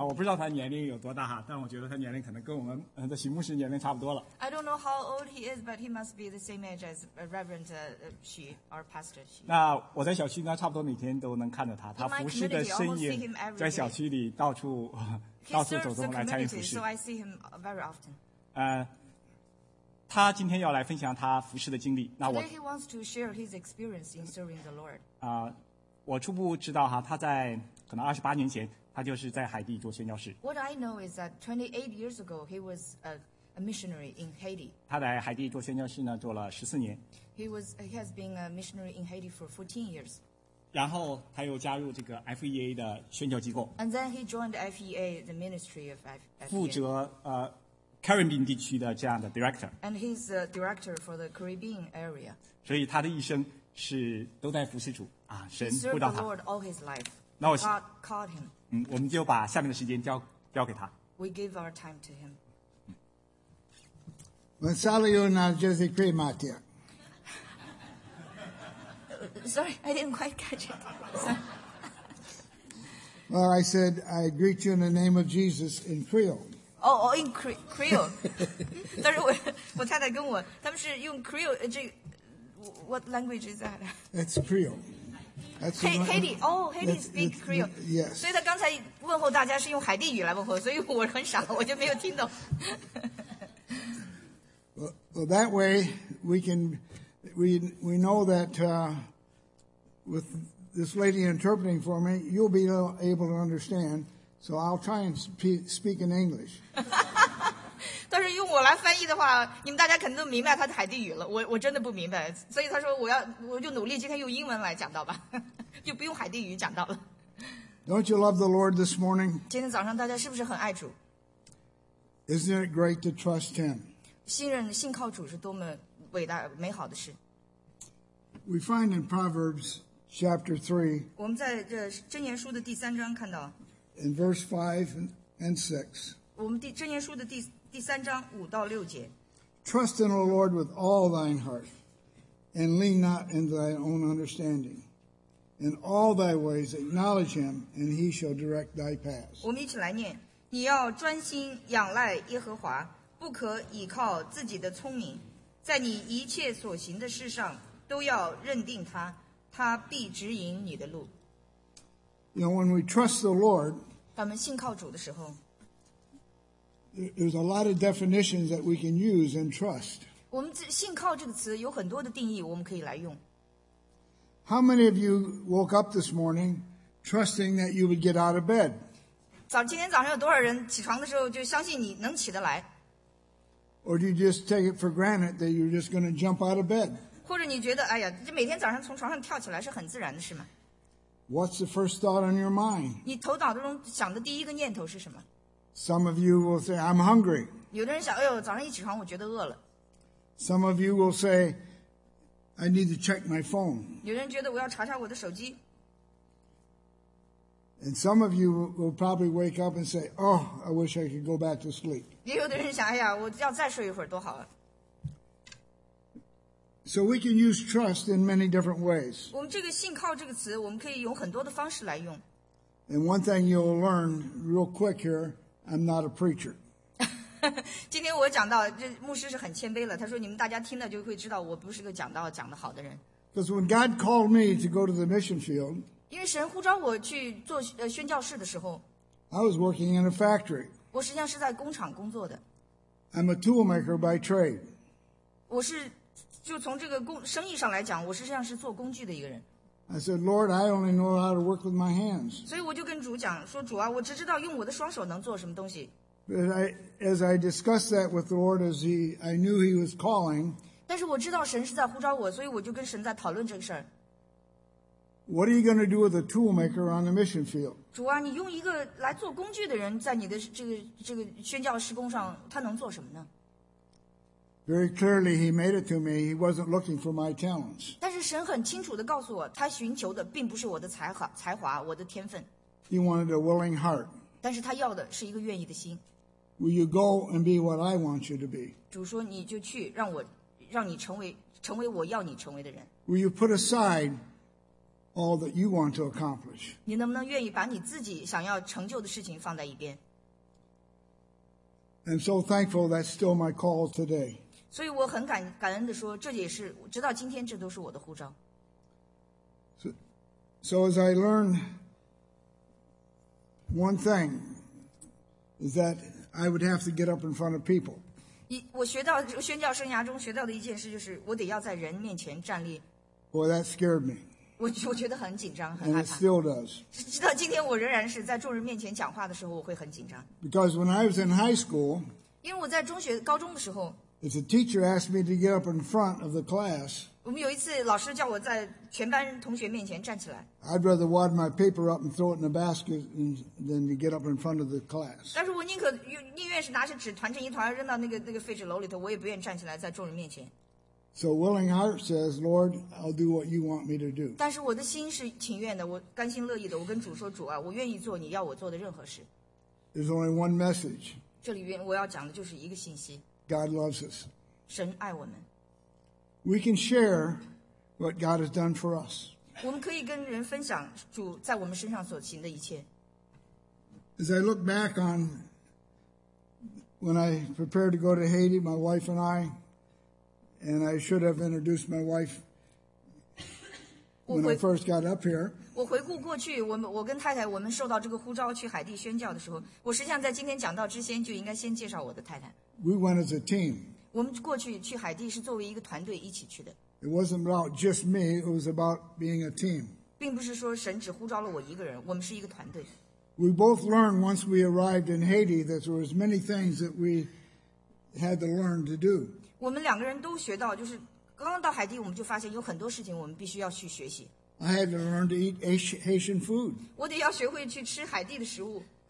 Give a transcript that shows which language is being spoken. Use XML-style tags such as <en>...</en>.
<zh>啊，我不知道他年龄有多大哈，但我觉得他年龄可能跟我们的徐牧师年龄差不多了。</zh> <en>I don't know how old he is, but he must be the same age as Reverend Xu, our pastor Xu.</en> <zh>那我在小区呢，差不多每天都能看到他，他服侍的身影在小区里到处到处走动来参与服侍。</zh> <en>So I see him very often.</en> <zh>他今天要来分享他服侍的经历。那我</zh> <en>Today he wants to share his experience in serving the Lord.</en> <zh>我初步知道哈，他在可能28年前，他就是在海地做宣教士。</zh> <en>What I know is that 28 years ago he was a missionary in Haiti.</en> <zh>他在海地做宣教士呢，做了14年。</zh> <en>He has been a missionary in Haiti for 14 years.</en> <zh>然后他又加入这个 FEA 的宣教机构。</zh> <en>And then he joined FEA, the ministry of FEA.</en> <zh>负责Caribbean 地区的这样的 director,</zh> <en>and he's the director for the Caribbean area.</en> <zh>所以他的一生是都在服侍主啊，神呼召他。</zh> <en>He served the Lord all his life. God called him.</en> <zh>我们就把下面的时间交给他。</zh> <en>We give our time to him. Well, salut, Jesse Crematia. Sorry, I didn't quite catch it. Well, I said I greet you in the name of Jesus in Creole. Oh, in Creole.</en> <zh>但是我太太跟我，他们是用 Creole,</zh> <en>what language is that? It's Creole. That's hey, Haiti, oh, Haiti speaks Creole. Yes.</en> <zh>所以他刚才问候大家是用海地语来问候，所以我很傻，我就没有听懂。</zh> <en>well, that way, we know that with this lady interpreting for me, you'll be able to understand. So I'll try and speak in English.</en> <zh>但是用我来翻译的话，你们大家肯定都明白他的海地语了。我真的不明白，所以他说我就努力今天用英文来讲到吧，就不用海地语讲到了。</zh> <en>Don't you love the Lord this morning?</en> <zh>今天早上大家是不是很爱主？</zh> <en>Isn't it great to trust Him?</en> <zh>信靠主是多么伟大美好的事。</zh> <en>We find in Proverbs chapter 3.</en> <zh>我们在这箴言书的第三章看到。</zh> <en>In verse 5 and 6.</en> <zh>我们第箴言书的第三章五到六节。</zh> <en>Trust in the Lord with all thine heart, and lean not in thine own understanding. In all thy ways acknowledge him, and he shall direct thy paths.</en> <zh>我们一起来念：你要专心仰赖耶和华，不可倚靠自己的聪明，在你一切所行的事上都要认定他，他必指引你的路。</zh> <en>You know, when we trust the Lord,</en> <zh>当我们信靠主的时候</zh> <en>there's a lot of definitions that we can use in trust.</en> <zh>我们信靠这个词有很多的定义我们可以来用。</zh> <en>How many of you woke up this morning trusting that you would get out of bed?</en> <zh>今天早上有多少人起床的时候就相信你能起得来？</zh> <en>Or do you just take it for granted that you're just going to jump out of bed?</en> <zh>或者你觉得哎呀，这每天早上从床上跳起来是很自然的事吗？</zh> <en>What's the first thought on your mind?</en> <zh>你头脑中想的第一个念头是什么？</zh> <en>Some of you will say, I'm hungry.</en> <zh>有的人想，哎呦，早上一起床我觉得饿了。</zh> <en>Some of you will say, I need to check my phone.</en> <zh>有人觉得我要查查我的手机。</zh> <en>And some of you will probably wake up and say, oh, I wish I could go back to sleep.</en> <zh>也有的人想，哎呀，我要再睡一会儿多好啊。</zh> <en>So we can use trust in many different ways.</en> <zh>我们这个信靠这个词，我们可以用很多的方式来用。</zh> <en>And one thing you'll learn real quick here, I'm not a preacher.</en> <zh>今天我讲到，这牧师是很谦卑了。他说，你们大家听了就会知道，我不是个讲道讲得好的人。</zh> <en>Because when God called me to go to the mission field,</en> <zh>因为神呼召我去做宣教士的时候</zh> <en>，I was working in a factory.</en> <zh>我实际上是在工厂工作的。</zh> <en>I'm a toolmaker by trade.</en> <zh>我是。就从这个生意上来讲，我实际上是做工具的一个人。</zh> <en>I said, Lord, I only know how to work with my hands.</en> <zh>所以我就跟主讲说，主啊，我只知道用我的双手能做什么东西。</zh> <en>But as I discussed that with the Lord, I knew He was calling.</en> <zh>但是我知道神是在呼召我，所以我就跟神在讨论这个事儿。</zh> <en>What are you going to do with a toolmaker on the mission field?</en> <zh>主啊，你用一个来做工具的人，在你的这个宣教施工上，他能做什么呢？</zh> <en>Very clearly, he made it to me. He wasn't looking for my talents.</en> <zh>但是神很清楚地告诉我，他寻求的并不是我的才华，我的天分。</zh> <en>He wanted a willing heart.</en> <zh>但是他要的是一个愿意的心。</zh> <en>Will you go and be what I want you to be?</en> <zh>主说你就去，让我让你成为成为我要你成为的人。</zh> <en>Will you put aside all that you want to accomplish?</en> <zh>你能不能愿意把你自己想要成就的事情放在一边？</zh> <en>I'm so thankful that's still my call today.</en> <zh>所以我很感恩的说，这也是直到今天，这都是我的呼召。</zh> <en>So as I learned one thing is that I would have to get up in front of people.</en> <zh>我学到宣教生涯中学到的一件事就是我得要在人面前站立。</zh> <en>Well, that scared me.</en> <zh>我觉得很紧张，很害怕。</zh> <en>And it still does.</en> <zh>直到今天，我仍然是在众人面前讲话的时候，我会很紧张。</zh> <en>Because when I was in high school,</en> <zh>因为我在中学、高中的时候</zh> <en>if the teacher asked me to get up in front of the class.</en> <zh>我们有一次老师叫我在全班同学面前站起来。</zh> <en>I'd rather wad my paper up and throw it in a basket than to get up in front of the class.</en> <zh>但是我宁愿是拿着纸团成一团扔到那个废纸篓里头，我也不愿站起来在众人面前。</zh> <en>So willing heart says, Lord, I'll do what you want me to do.</en> <zh>但是我的心是情愿的，我甘心乐意的，我跟主说，主啊，我愿意做你要我做的任何事。</zh> <en>There's only one message.</en> <zh>这里面我要讲的就是一个信息。</zh> <en>God loves us.</en> <zh>神爱我们。</zh> <en>We can share what God has done for us.</en> <zh>我们可以跟人分享主在我们身上所行的一切。</zh> <en>As I look back on when I prepared to go to Haiti, my wife and I, and I should have introduced my wife when I first got up here.</en> <zh>我回顾过去，我跟太太，我们受到这个呼召去海地宣教的时候，我实际上在今天讲到之前就应该先介绍我的太太。</zh> <en>We went as a team.</en> <zh>我们过去去海地是作为一个团队一起去的。</zh> <en>It wasn't about just me; it was about being a team.</en> <zh>并不是说神只呼召了我一个人，我们是一个团队。</zh> <en>We both learned once we arrived in Haiti that there was many things that we had to learn to do.</en> <zh>我们两个人都学到，就是刚刚到海地，我们就发现有很多事情我们必须要去学习。</zh> <en>I had to learn to eat Haitian food.</en> <zh>我得要学会去吃海地的食物。</zh>